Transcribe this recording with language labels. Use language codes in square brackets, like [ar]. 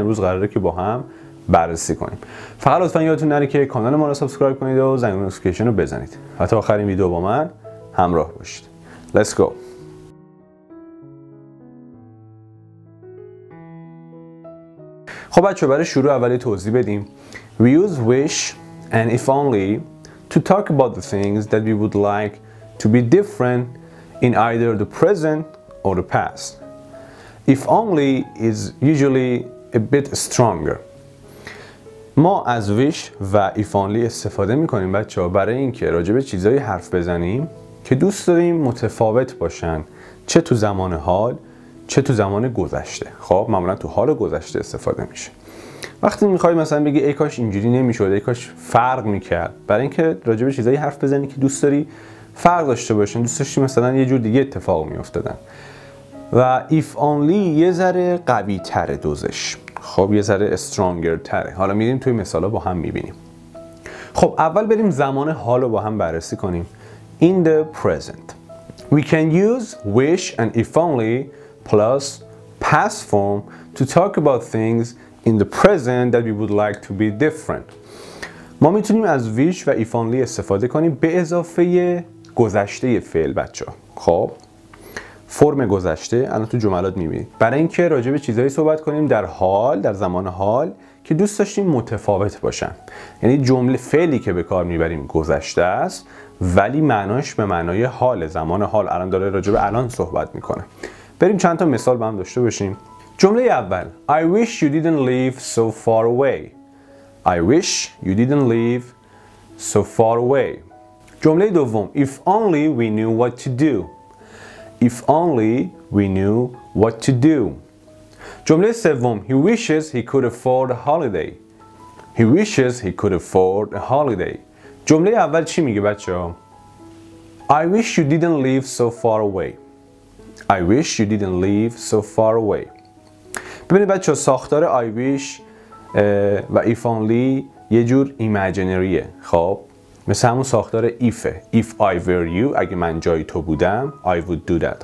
[fa] امروز قراره که با هم بررسی کنیم. فقط لطفاً یادتون نره که کانال ما رو سابسکرایب کنید و زنگ نوتیفیکیشن رو بزنید و تا آخرین ویدیو با من همراه باشید. [en] Let's go. [fa] خب بچه، برای شروع اولی توضیح بدیم. [en] We use wish and if only to talk about the things that we would like to be different in either the present or the past. If only is usually a bit stronger. [fa] ما از wish و if only استفاده میکنیم بچه‌ها برای اینکه راجع به چیزهایی حرف بزنیم که دوست داریم متفاوت باشن، چه تو زمان حال چه تو زمان گذشته. خب معمولا تو حال گذشته استفاده میشه. وقتی میخوای مثلا بگی ای کاش اینجوری نمیشد، ای کاش فرق میکرد، برای اینکه راجع به چیزهایی حرف بزنی که دوست داری فرق داشته باشن، دوست داشتی مثلا یه جور دیگه اتفاق میافتادن. و if only یه ذره قوی تره دوزش، خب یه ذره stronger تره. حالا میریم توی مثالا با هم میبینیم. خب اول بریم زمان حالو با هم بررسی کنیم. [en] In the present we can use wish and if only plus past form to talk about things in the present that we would like to be different. [fa] ما میتونیم از wish و if only استفاده کنیم به اضافه گذشته فعل بچه. خب فرم گذشته الان تو جملات میبینید، برای اینکه راجع به چیزایی صحبت کنیم در حال، در زمان حال که دوست داشتیم متفاوت باشن. یعنی جمله فعلی که به کار میبریم گذشته است، ولی معناش به معنای حال، زمان حال الان داره راجع به الان صحبت میکنه. بریم چند تا مثال با هم داشته باشیم. جمله اول، [en] I wish you didn't live so far away. I wish you didn't live so far away. [fa] جمله دوم، [en] If only we knew what to do. If only we knew what to do. [fa] جمله سوم، [en] He wishes he could afford a holiday. He wishes he could afford a holiday. [fa] جمله اول چی میگه بچه ها؟ [en] I wish you didn't live so far away. I wish you didn't live so far away. [fa] ببینید بچه ها، ساختار I wish و if only یه جور ایمجینریه. خب مثل همون ساختار ایفه، [en] if I were you، [fa] اگه من جای تو بودم [en] I would do that.